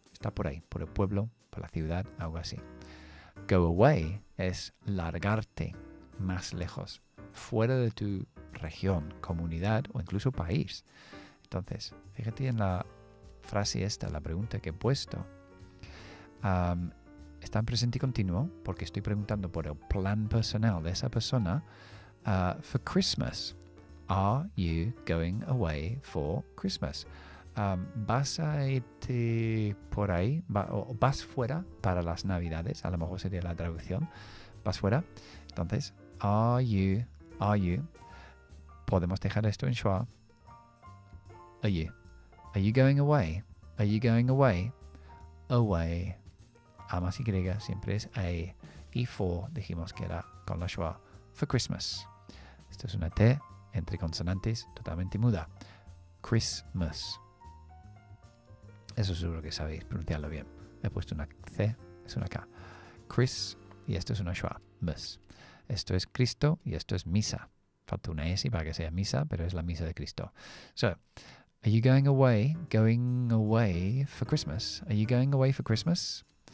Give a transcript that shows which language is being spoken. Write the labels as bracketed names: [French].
[Spanish] Está por ahí, por el pueblo, por la ciudad, algo así. Go away es largarte más lejos, fuera de tu región, comunidad o incluso país. Entonces, fíjate en la frase esta, la pregunta que he puesto. Está en presente continuo porque estoy preguntando por el plan personal de esa persona. [English] For Christmas, are you going away for Christmas? [Spanish] ¿Vas a irte por ahí? ¿Vas fuera para las Navidades? A lo mejor sería la traducción. ¿Vas fuera? Entonces, [English] are you? [Spanish] Podemos dejar esto en schwa. [English] Are you going away? Are you going away? Away. [Spanish] A más Y siempre es A. Y for, dijimos que era con la schwa. [English] For Christmas. [Spanish] Esto es una T entre consonantes totalmente muda. Christmas. Eso seguro que sabéis pronunciarlo bien. He puesto una C, es una K. Chris, y esto es una schwa. Mus. Esto es Cristo y esto es misa. Falta una S para que sea misa, pero es la misa de Cristo. [English] So, are you going away for Christmas? Are you going away for Christmas?